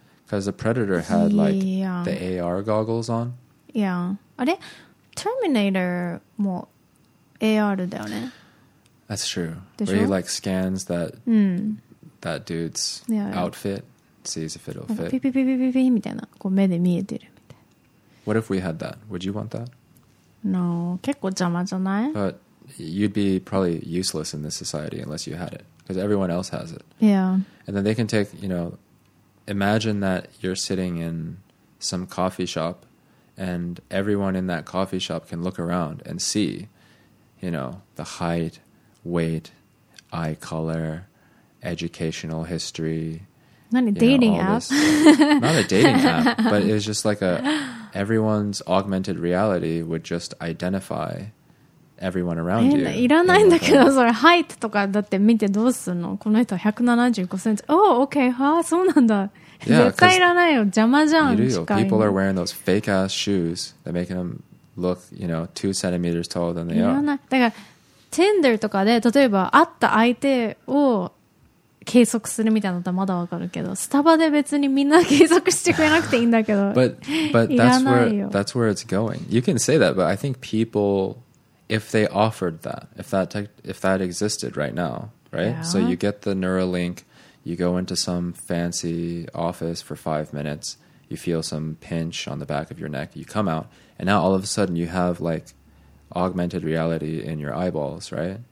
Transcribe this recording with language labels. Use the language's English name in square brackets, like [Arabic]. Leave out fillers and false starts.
[English] Because the Predator had like the AR goggles on. Yeah. Are they Terminator more AR [Japanese] だよね? [English] That's true. Where he like scans that that dude's outfit, sees if it'll fit. [Japanese] ピピピピピピみたいな、こう目で見えてるみたいな。 [English] What if we had that? Would you want that? [Japanese] No, 結構邪魔じゃない? [English] But...You'd be probably useless in this society unless you had it. because everyone else has it. Yeah. And then they can take, you know, imagine that you're sitting in some coffee shop and everyone in that coffee shop can look around and see, you know, the height, weight, eye color, educational history. Not a dating app, but it was just like a everyone's augmented reality would just identify everyone around you. [Japanese] いらないんだけど、それ height とかだって見てどうすんの？この人175センチ。 [English] Oh, okay. [Japanese] はあ、そうなんだ。絶対いらないよ。邪魔じゃん。いるよ。 [English] People are wearing those fake ass shoes that make them look, you know, 2 centimeters taller than they are. [Japanese] いらない。だから、Tinder とかで例えば会った相手を計測するみたいなのってまだわかるけど、スタバで別にみんな計測してくれなくていいんだけど。 [English] But that's where it's going. You can say that, but I think people, if they offered that, if that existed right now, right? Yeah. So you get the Neuralink, you go into some fancy office for 5 minutes, you feel some pinch on the back of your neck, you come out, and now all of a sudden you have like augmented reality in your eyeballs, right?